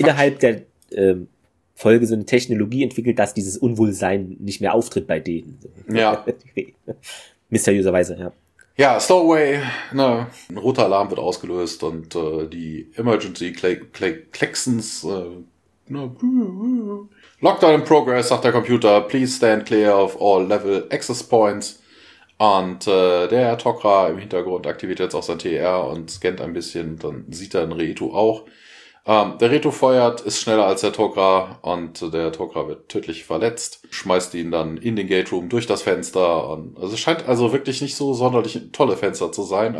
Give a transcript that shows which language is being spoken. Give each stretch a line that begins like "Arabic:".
German: Innerhalb der Folge so eine Technologie entwickelt, dass dieses Unwohlsein nicht mehr auftritt bei denen. Ja. Mysteriöserweise, ja. Ja, Stowaway, ne, ein roter Alarm wird ausgelöst und die Emergency Klaxons
English: Lockdown in progress,
German: sagt der Computer.
English: Please stand clear of all level access points.
German: Und der Tok'ra im Hintergrund aktiviert jetzt auch sein TR und scannt ein bisschen. Dann sieht er einen Reto auch. Der Reto feuert, ist schneller als der Tok'ra und der Tok'ra wird tödlich verletzt, schmeißt ihn dann in den Gate Room durch das Fenster. Und also es scheint also wirklich nicht so sonderlich ein tolles Fenster zu sein.